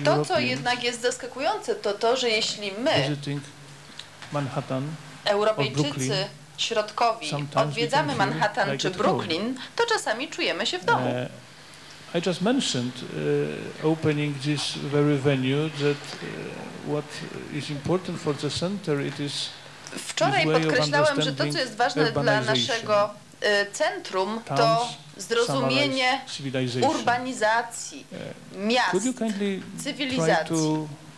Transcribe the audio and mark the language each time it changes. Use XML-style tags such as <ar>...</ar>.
<pl>to, co jednak jest zaskakujące, to to, że jeśli my, Manhattan, Europejczycy Brooklyn, środkowi, odwiedzamy Manhattan czy Brooklyn, to czasami czujemy się w domu.</pl> <en>I just mentioned opening this very venue that what is important for the center it is</en> <pl>wczoraj podkreślałem, że to, co jest ważne dla naszego centrum, to zrozumienie urbanizacji, miast, cywilizacji.</pl>